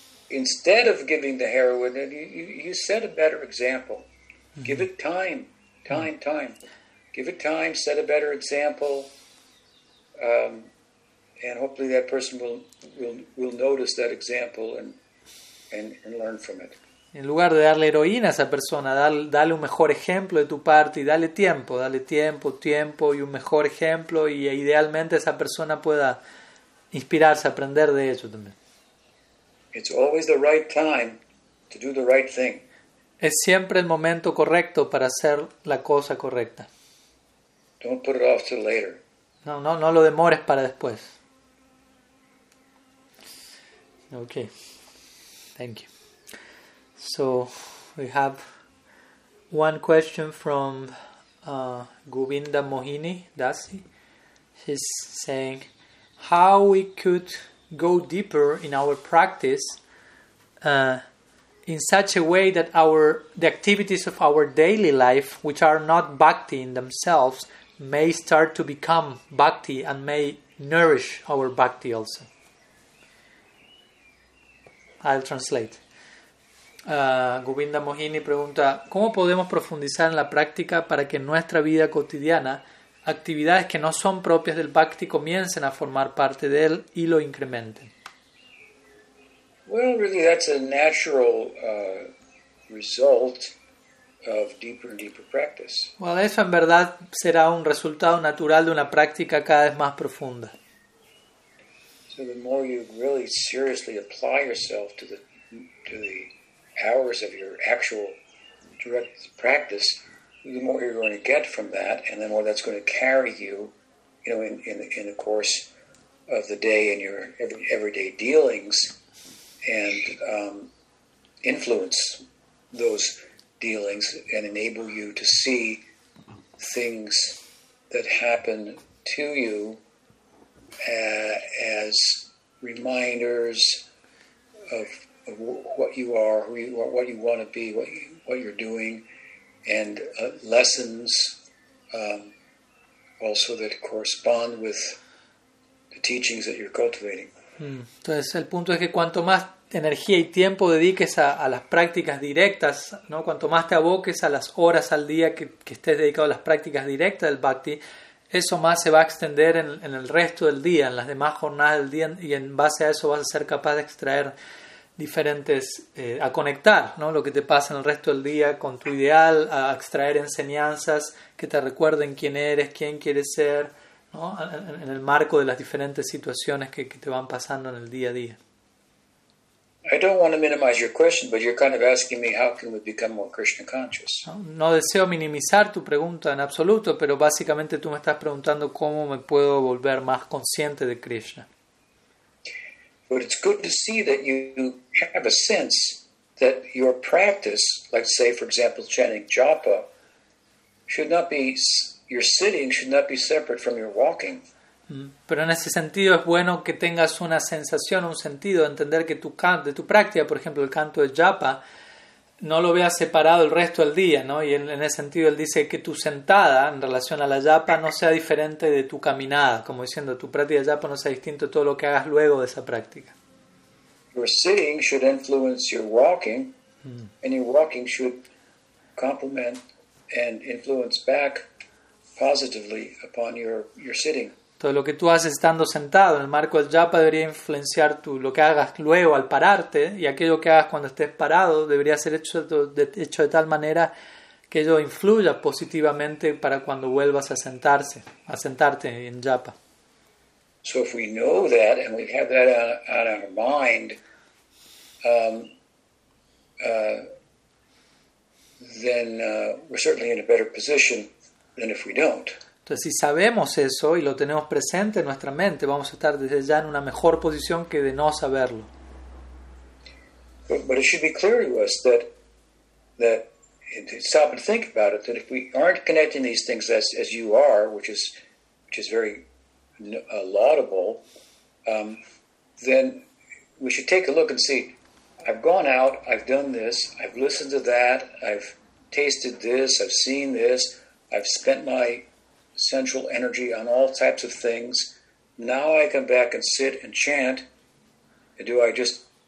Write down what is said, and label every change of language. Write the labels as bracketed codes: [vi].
[en] instead of giving the heroin, you set a better example. Mm-hmm. Give it time, time, time. Give it time, set a better example, and hopefully that person will notice that example and learn from it. [es] En lugar de darle heroína a esa persona, dale un mejor ejemplo de tu parte y dale tiempo y un mejor ejemplo, y idealmente esa persona pueda inspirarse, aprender de eso también. [en] It's always the right time to do the right thing. [es] Es siempre el momento correcto para hacer la cosa correcta. [en] Don't put it off till later. [es] No lo demores para después. [en] Okay. Thank you. So, we have one question from Govinda Mohini Dasi. He's saying, how we could go deeper in our practice in such a way that the activities of our daily life, which are not bhakti in themselves, may start to become bhakti and may nourish our bhakti also. I'll translate. [es] Govinda Mohini pregunta, ¿cómo podemos profundizar en la práctica para que nuestra vida cotidiana, actividades que no son propias del bhakti, comiencen a formar parte de él y lo incrementen? [en] Well, really, that's a natural result of deeper and deeper practice. [es] Well, eso en verdad será un resultado natural de una práctica cada vez más profunda. [en] So the more you really seriously apply yourself to the hours of your actual direct practice, the more you're going to get from that, and the more that's going to carry you, you know, in the course of the day and your everyday dealings, and influence those dealings and enable you to see things that happen to you as reminders of what you are, who you are, what you want to be, what you're doing, and lessons also that correspond with the teachings that you're cultivating. [es] Entonces el punto es que cuanto más energía y tiempo dediques a las prácticas directas, ¿no? Cuanto más te aboques a las horas al día que estés dedicado a las prácticas directas del bhakti, eso más se va a extender en el resto del día, en las demás jornadas del día, y en base a eso vas a ser capaz de extraer diferentes, a conectar, ¿no? Lo que te pasa en el resto del día con tu ideal, a extraer enseñanzas que te recuerden quién eres, quién quieres ser, ¿no? En el marco de las diferentes situaciones que te van pasando en el día a día. [en] I don't want to minimize your question, but you're kind of asking me how can we become more Krishna conscious. [es] No deseo minimizar tu pregunta en absoluto, pero básicamente tú me estás preguntando cómo me puedo volver más consciente de Krishna. [en] But it's good to see that you have a sense that your practice, like say for example chanting japa, should not be separate from your walking. [es] Pero en ese sentido es bueno que tengas una sensación, un sentido, entender que tu práctica, por ejemplo, el canto de japa, no lo veas separado el resto del día, ¿no? Y en ese sentido él dice que tu sentada en relación a la japa no sea diferente de tu caminada, como diciendo, tu práctica de japa no sea distinto de todo lo que hagas luego de esa práctica. [en] Your sitting should influence your walking, and your walking should complement and influence back positively upon your sitting. [es] Todo lo que tú haces estando sentado en el marco del japa debería influenciar lo que hagas luego al pararte, y aquello que hagas cuando estés parado debería ser hecho de tal manera que ello influya positivamente para cuando vuelvas a sentarte en japa. [en] So if we know that and we have that on our mind, then we're certainly in a better position than if we don't. [es] Entonces, si sabemos eso y lo tenemos presente en nuestra mente, vamos a estar desde ya en una mejor posición que de no saberlo. [en] But it should be clear to us that stop and think about it, that if we aren't connecting these things as you are, which is very laudable, then we should take a look and see, I've gone out, I've done this, I've listened to that, I've tasted this, I've seen this, I've spent my central energy on all types of things. Now I come back and sit and chant. Do I just,